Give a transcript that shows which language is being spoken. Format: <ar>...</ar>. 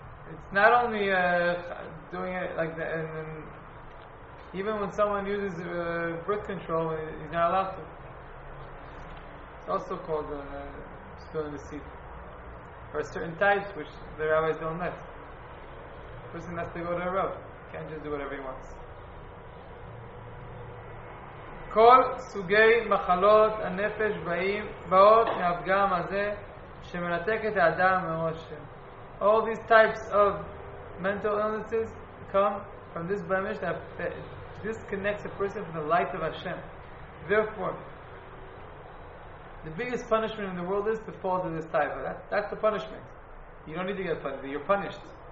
<en>It's not only doing it like that, and even when someone uses birth control, he's not allowed to. It's also called spilling the seed. There are certain types which the rabbis don't let. The person has to go to a rabbi, he can't just do whatever he wants.</en> <he>כל סוגי מחלות הנפש באות מהפגם הזה שמנתק את האדם מהראשם.</he> <en>All these types of mental illnesses come from this blemish that disconnects a person from the light of Hashem. Therefore, the biggest punishment in the world is to fall to this type. That's the punishment. You don't need to get punished. You're punished.</en>